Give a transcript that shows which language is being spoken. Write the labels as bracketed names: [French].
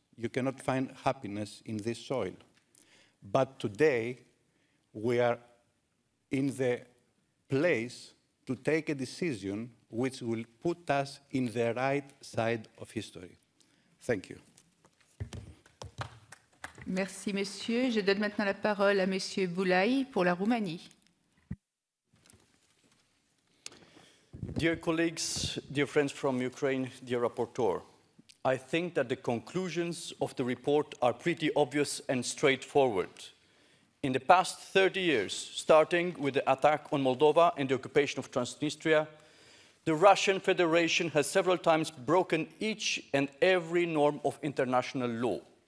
[English] You cannot find happiness in this soil. But today, we are in the place to take a decision which will put us in the right side of history. Thank you. [French] Merci, monsieur. Je donne maintenant la parole à monsieur Boulay pour la Roumanie. [English] Dear colleagues, dear friends from Ukraine, dear rapporteur, I think that the conclusions of the report are pretty obvious and straightforward. In the past 30 years, starting with the attack on Moldova and the occupation of Transnistria, the Russian Federation has several times broken each and every norm of international law.